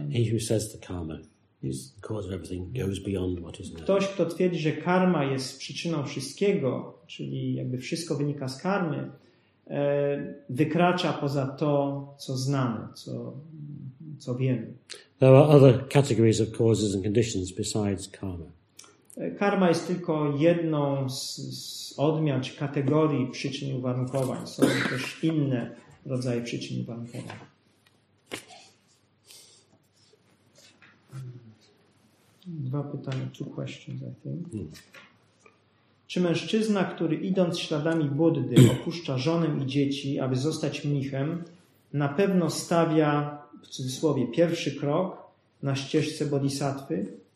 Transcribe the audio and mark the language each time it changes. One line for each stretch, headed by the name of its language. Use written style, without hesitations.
English: He who says the karma is the cause of everything goes beyond what is known.
Polish: Ktoś, kto twierdzi, że karma jest przyczyną wszystkiego, czyli jakby wszystko wynika z karmy, wykracza poza to, co znamy, co wiemy.
English: There are other categories of causes and conditions besides karma.
Polish: Karma jest tylko jedną z odmian czy kategorii przyczyn uwarunkowań. Są też inne rodzaje przyczyn uwarunkowań. Dwa pytania,
English: two questions, I think.
Polish: Czy mężczyzna, który idąc śladami Buddy opuszcza żonę i dzieci, aby zostać mnichem, na pewno stawia, w cudzysłowie, pierwszy krok na ścieżce bodhisattwy?